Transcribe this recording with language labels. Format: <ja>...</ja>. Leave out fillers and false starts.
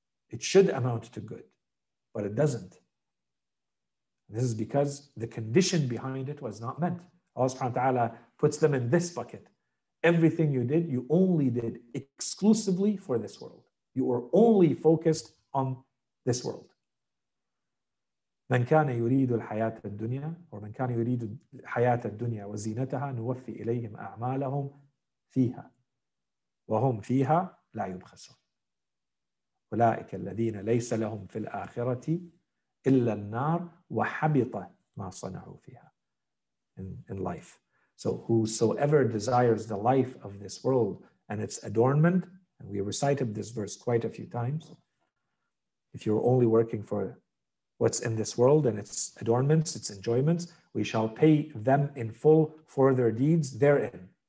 <en>It should amount to good, but it doesn't. This is because the condition behind it was not meant. Allah subhanahu wa ta'ala puts them in this bucket. Everything you did, you only did exclusively for this world. You were only focused on this world.</en> <ar>من كان يريد الحياة الدنيا or من كان يريد الحياة الدنيا وزينتها نوفي إليهم أعمالهم فيها وهم فيها لا يبخسون أولئك الذين ليس لهم في الآخرة إلا النار وحبط ما صنعوا فيها</ar> <en>in life. So whosoever desires the life of this world and its adornment, and we recited this verse quite a few times, if you're only working for what's in this world and its adornments, its enjoyments, we shall pay them in full for their deeds therein.</en>